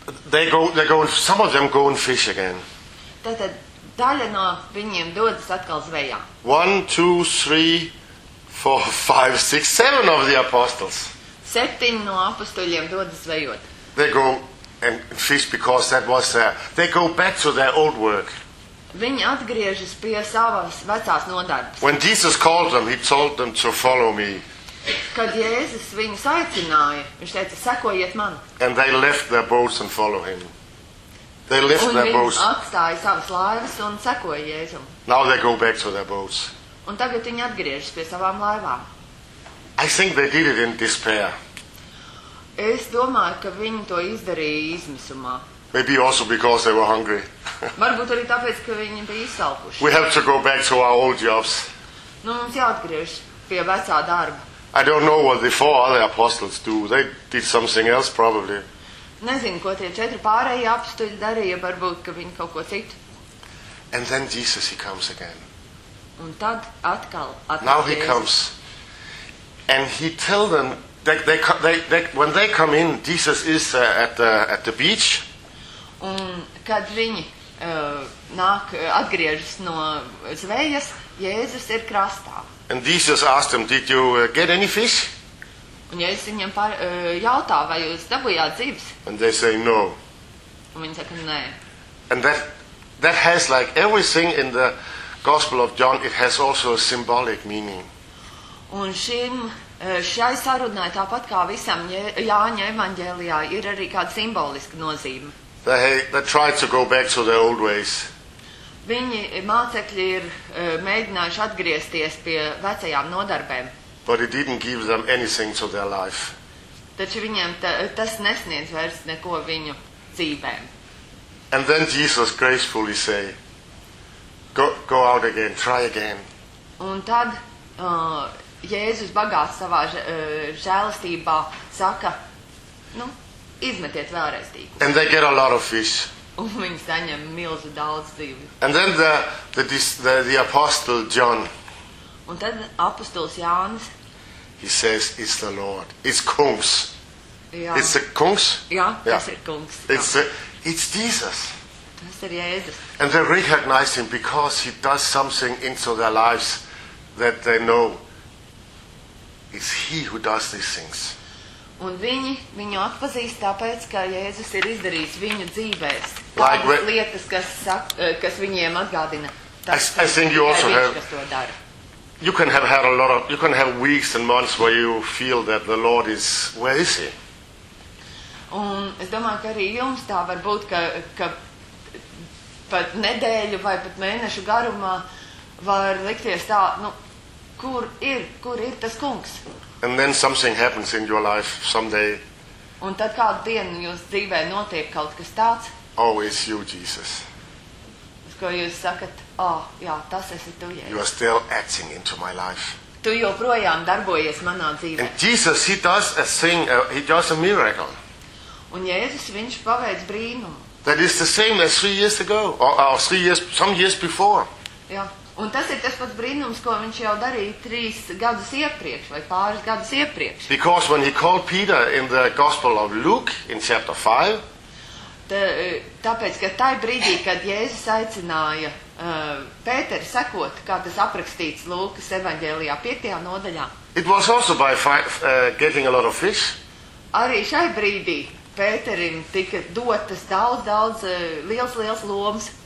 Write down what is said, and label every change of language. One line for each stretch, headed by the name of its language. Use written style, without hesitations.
English: They go, some of them go and fish again.
Latvian: Tātad daļa no viņiem dodas atkal zvejā.
English: 1, 2, 3, 4, 5, 6, 7 of the apostles.
Latvian: Septiņi no apostoļiem dodas zvejot.
English: They go and fish because that was there. They go back to their old work.
Latvian: Viņi atgriežas pie savas vecās nodarbes.
English: When Jesus called them, he told them to follow me.
Latvian: Kad Jēzus viņus aicināja, viņš teica, sekojiet man.
English: And they left their boats and follow him. They left their boats.
Latvian: Un viņi atstāja savas laivas un sekoja Jēzum.
English: Now they go back to their boats.
Latvian: Un tagad viņi atgriežas pie savām laivām.
English: I think they did it in despair.
Latvian: Es domāju, ka viņi to izdarīja izmisumā.
English: Maybe also because they were hungry.
Latvian: Varbūt arī tāpēc, ka viņi bija izsalkuši.
English: We have to go back to our old jobs.
Latvian: Nu, mums jāatgriežas pie vecā darba.
English: I don't know what the four other apostles do. They did something else probably.
Latvian: Nezinu, ko tie četri pārējie apostoļi darīja, varbūt, ka viņi kaut ko citu.
English: And then Jesus, he comes again.
Latvian: Un tad atkal atkal
English: Now he Jesus. Comes. And he tell them, when they come in, Jesus is at the beach.
Latvian: Un kad viņi nāk atgriežas no zvejas, Jēzus ir krastā.
English: And Jesus asked them, did you get any fish?
Latvian: Un Jēzus viņam jautā, vai jūs dabūjāt zivis?
English: And they say no.
Latvian: Un viņi saka, nē.
English: And that That has like everything in the Gospel of John, it has also a symbolic meaning.
Latvian: Un šai sarunai, tāpat kā visam Jāņa evaņģēlijā, ir arī kāda simboliska nozīme.
English: They tried to go back to their old ways.
Latvian: Viņi mācekļi ir mēģinājuši atgriezties pie vecajām nodarbēm.
English: But it didn't give them anything to their life.
Latvian: Taču viņiem tas nesniedz vairs neko viņu dzīvēm.
English: And then Jesus gracefully say, go out again, try again.
Latvian: Un tad Jēzus bagāts savā žēlistībā saka, nu, izmetiet vēlreiz tīklus.
English: And they get a lot of fish.
Latvian: Un viņi saņem milzu daudz zivju.
English: And then the apostle John.
Latvian: Un tad apostols Jānis.
English: He says, it's the Lord. It's kungs.
Latvian: Jā.
English: It's the kungs?
Latvian: Jā, yeah. Tas ir kungs.
English: It's Jesus.
Latvian: Tas ir Jēzus.
English: And they recognize him because he does something into their lives that they know it's he who does these things.
Latvian: Un viņi viņu atpazīst tāpēc, ka Jēzus ir izdarījis viņu dzīvēs. Tādas like lietas, kas viņiem atgādina.
English: Tas, I think you also have... You can have had a lot of, you can have weeks and months where you feel that the Lord is, where is he?
Latvian: Un es domāju, ka arī jums tā var būt, ka pat nedēļu vai pat mēnešu garumā var likties tā, nu, kur ir tas kungs?
English: And then something happens in your life someday.
Latvian: Un tad kādu dienu jūs dzīvē notiek kaut kas tāds?
English: Oh, it's you, Jesus.
Latvian: Ko jūs sakat, oh, jā, tas esi tu, Jēzus.
English: You are still acting into my life.
Latvian: Tu joprojām darbojies manā dzīvē.
English: And Jesus, he does a thing, he does a miracle.
Latvian: Un Jēzus, viņš paveic brīnumu.
English: That is the same as 3 years ago, or 3 years, some years before.
Latvian: Jā, un tas ir tas pats brīnums, ko viņš jau darīja 3 gadus iepriekš, vai pāris gadus iepriekš.
English: Because when he called Peter in the Gospel of Luke, in chapter 5,
Latvian: tāpēc, ka tai brīdī, kad Jēzus aicināja Pēteri sekot, kā tas aprakstīts Lūkas evaņģēlijā 5. Nodaļā.
English: It was also by getting a lot of fish.
Latvian: Arī šai brīdī Pēterim tika dotas daudz liels lomas.